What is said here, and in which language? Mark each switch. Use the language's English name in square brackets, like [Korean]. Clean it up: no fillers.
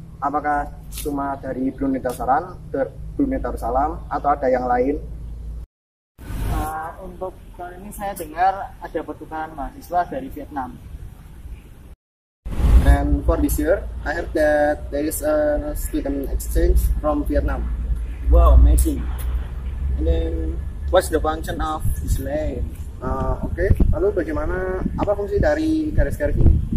[Indonesian] Apakah cuma dari Brunei Darussalam, atau ada yang lain? Untuk kali ini saya dengar ada pertukaran mahasiswa dari Vietnam. [English] And for this year, I heard that there is a student exchange from Vietnam. Wow, amazing. And then, what's the function of this lane? Okay. [Indonesian] Lalu bagaimana, apa fungsi dari garis-garis ini?